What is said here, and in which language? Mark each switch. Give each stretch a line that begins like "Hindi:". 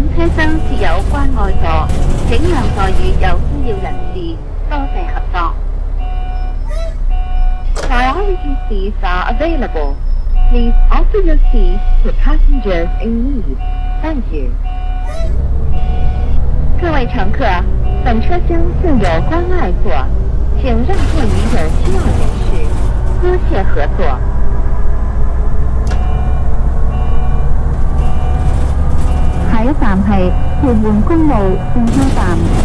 Chinese: 请让座与有需要人士，多谢合作。
English: Priority seats are available. Please offer your seats to passengers in need. Thank you.
Chinese: 各位乘客，本车厢现有关外座，请让座于有需要人士，多谢合作。站是屯門公路轉車站。